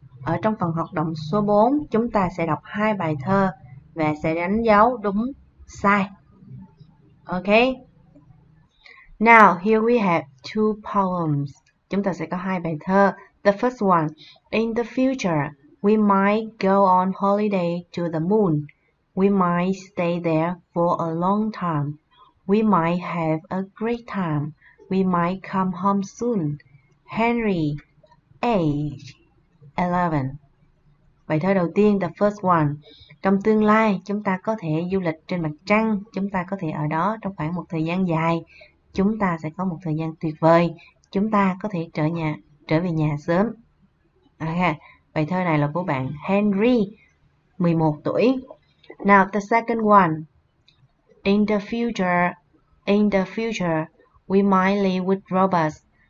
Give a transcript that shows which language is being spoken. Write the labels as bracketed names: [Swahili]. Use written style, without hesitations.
[Vietnamese] Ở trong phần hoạt động số 4, chúng ta sẽ đọc hai bài thơ và sẽ đánh dấu đúng sai. Ok. [English] Now, here we have two poems. [Vietnamese] Chúng ta sẽ có hai bài thơ. [English] The first one, in the future, we might go on holiday to the moon. We might stay there for a long time. We might have a great time. We might come home soon. Henry, age 11. [Vietnamese] Bài thơ đầu tiên, [English] the first one. [Vietnamese] Trong tương lai, chúng ta có thể du lịch trên mặt trăng. Chúng ta có thể ở đó trong khoảng một thời gian dài. Chúng ta sẽ có một thời gian tuyệt vời. Chúng ta có thể trở về nhà sớm. Okay. Bài thơ này là của bạn Henry, 11 tuổi. [English] Now, the second one. In the future, we might live with robots.